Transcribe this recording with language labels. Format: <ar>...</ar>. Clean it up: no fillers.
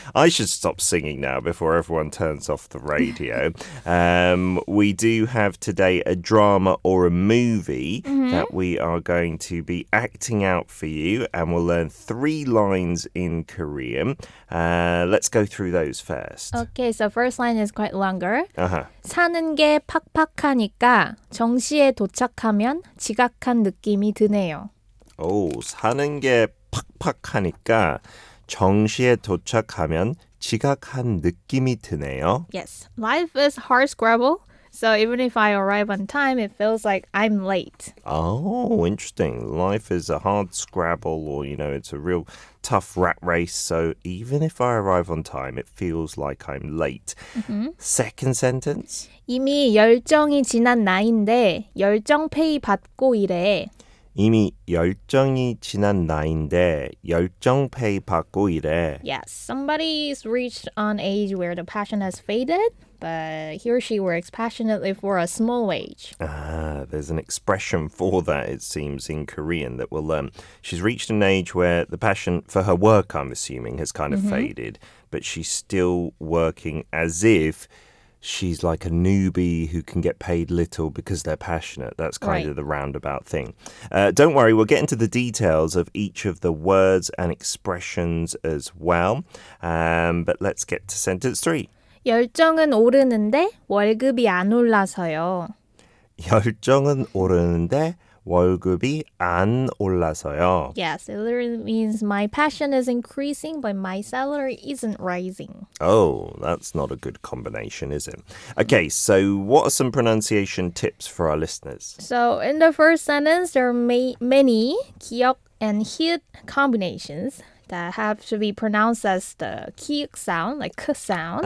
<en>I should stop singing now before everyone turns off the radio. We do have today a drama or a movie mm-hmm. that we are going to be acting out for you, and we'll learn three lines in Korean. Let's go through those first. Okay, so first line is quite longer. Uh-huh.</en> <ko>사는 게 팍팍하니까 정시에 도착하면 지각한 느낌이 드네요. 오, 사는 게 팍팍하니까 정시에 도착하면 지각한 느낌이 드네요.</ko> <en>Yes, life is hardscrabble. So even if I arrive on time, it feels like I'm late. Oh, interesting. Life is a hard scrabble, or, you know, it's a real tough rat race. So even if I arrive on time, it feels like I'm late. Mm-hmm. Second sentence.</en> <ko>이미 열정이 지난 나인데 열정페이 받고 이래. 이미 열정이 지난 나인데 열정페이 받고 이래.</ko> <en>Yes, somebody's reached an age where the passion has faded, but he or she works passionately for a small wage. Ah, there's an expression for that, it seems, in Korean that we'll learn. She's reached an age where the passion for her work, I'm assuming, has kind of mm-hmm. faded, but she's still working as if she's like a newbie who can get paid little because they're passionate. That's kind right. of the roundabout thing. Don't worry, we'll get into the details of each of the words and expressions as well. But let's get to sentence three.</en> <ko>열정은 오르는데 월급이 안 올라서요. 열정은 오르는데 월급이 안 올라서요.</ko> <en>Yes, it literally means my passion is increasing, but my salary isn't rising. Oh, that's not a good combination, is it? Okay, so what are some pronunciation tips for our listeners? So in the first sentence, there are many 기역 and 히읗 combinations that have to be pronounced as the 기역 sound, like k sound.</en>